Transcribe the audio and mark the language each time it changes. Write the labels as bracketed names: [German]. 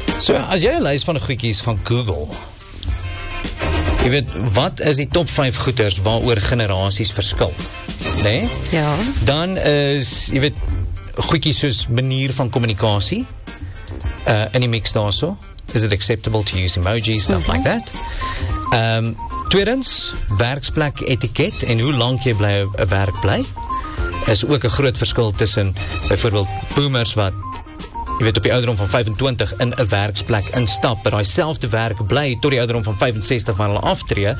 [Afrikaans] So, as jy 'n lys van goedjies gaan Google, jy weet, wat is die top 5 goeders waaroor generasies verskil? Nee? Ja. Dan is, jy weet, goedjies soos manier van communicatie, in die mix daar so. [English] Is it acceptable to use emojis, stuff like that? [Afrikaans] Tweedens, werksplek etiket en hoe lang jy bly op 'n werk bly, is ook 'n groot verskil tussen, byvoorbeeld, boomers wat jy weet, op die ouderdom van 25 in 'n werksplek instap, maar dieselfde werk bly tot die ouderdom van 65 van hulle aftree.